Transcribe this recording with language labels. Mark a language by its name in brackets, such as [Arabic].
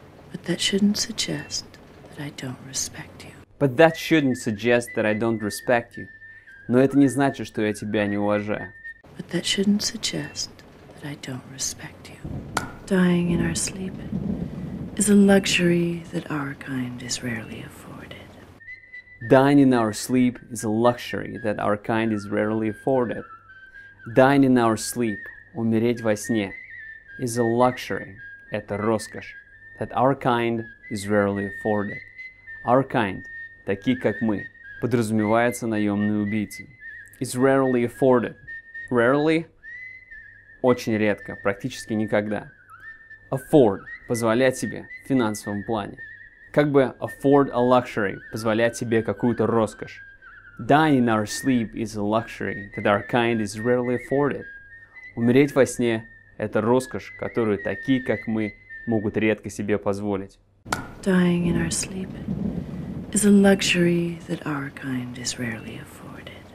[English] But that shouldn't suggest that I don't respect you. But that shouldn't suggest that I don't respect you. [Russian] Но это не значит, что я тебя не уважаю. [English] But that shouldn't suggest that I don't respect you. Dying in our sleep is a luxury that our kind is rarely afforded. Dying in our sleep is a luxury that our kind is rarely afforded. Dying in our sleep, [Russian] умереть во сне, [English] is a luxury, [Russian] это роскошь, [English] that our kind is rarely afforded. Our kind, [Russian] такие как мы, подразумевается наемные убийцы. [English] It's rarely afforded. Rarely? [Russian] Очень редко, практически никогда. Afford – позволять себе в финансовом плане. Как бы [English] afford a luxury [Russian] – позволять себе какую-то роскошь. [English] Dying in our sleep is a luxury that our kind is rarely afforded. [Russian] Умереть во сне – это роскошь, которую такие, как мы, могут редко себе позволить. [English] Dying in our sleep is a luxury that our kind is rarely afforded.